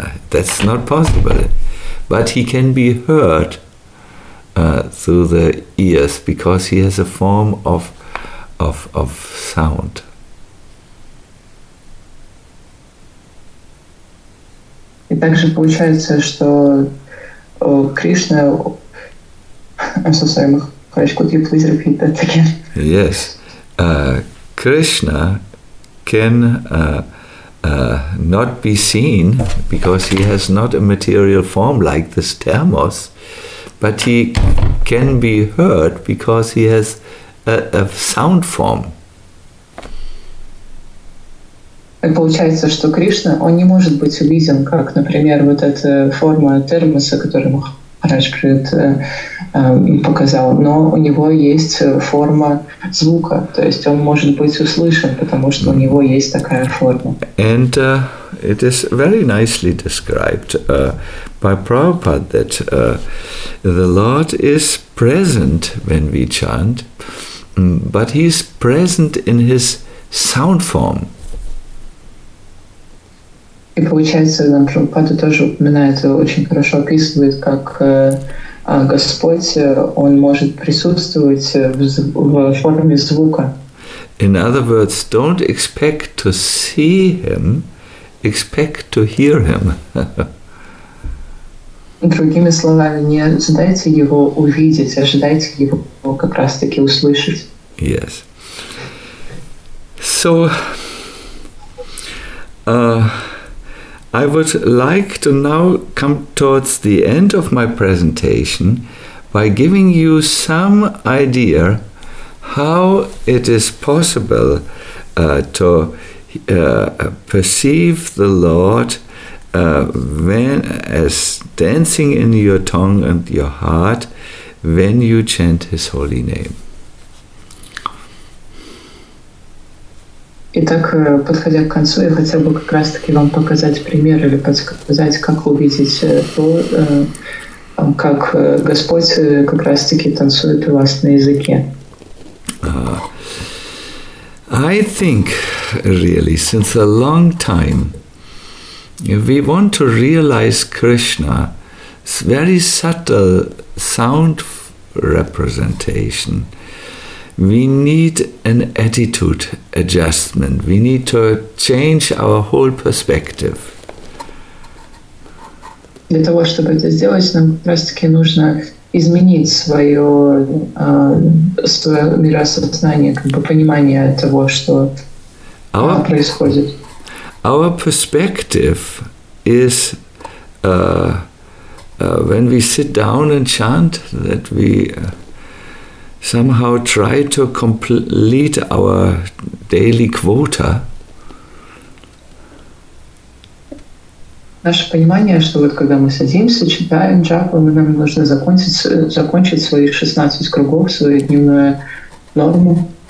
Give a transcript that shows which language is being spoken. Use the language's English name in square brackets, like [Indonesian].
[English] That's not possible. But he can be heard through the ears, because he has a form of sound. [Russian] И также получается, что Кришна... [English] I'm so sorry, Maharaj, could you please repeat that again? Yes. Krishna can not be seen because he has not a material form like this thermos. But he can be heard because he has a sound form. [Russian] It получается, что Кришна, он не может быть увиден, как, например, вот эта форма термоса, которую Махарадж показал. Но у него есть форма звука, то есть он может быть услышан, потому что у него есть такая форма. [English] And it is very nicely described by Prabhupada that the Lord is present when we chant, but he is present in his sound form. [Russian] И получается, нам Прабхупада тоже упоминает, очень хорошо описывает, как Господь, он может присутствовать в форме звука. [English] In other words, don't expect to see him, expect to hear him. [Russian] Другими словами, не ожидайте его увидеть, ожидайте его как раз-таки услышать. [English] Yes. So I would like to now come towards the end of my presentation by giving you some idea how it is possible to perceive the Lord when as dancing in your tongue and your heart when you chant His holy name. [Russian] И так, подходя к концу, я хотел бы как раз-таки вам показать пример или подсказать, как увидеть то, как Господь как раз-таки танцует у вас на языке. [English] I think, really, since a long time, if we want to realize Krishna, it's very subtle sound representation. We need an attitude adjustment. We need to change our whole perspective. [Russian] Для того, чтобы это сделать, нам как раз-таки нужно изменить свое миросознание, как бы понимание того, что происходит. [English] Our perspective is when we sit down and chant that we somehow try to complete our daily quota. [Russian] Наше понимание, что вот когда мы садимся, читаем джапу, нам нужно закончить свои 16 кругов, свою дневную норму.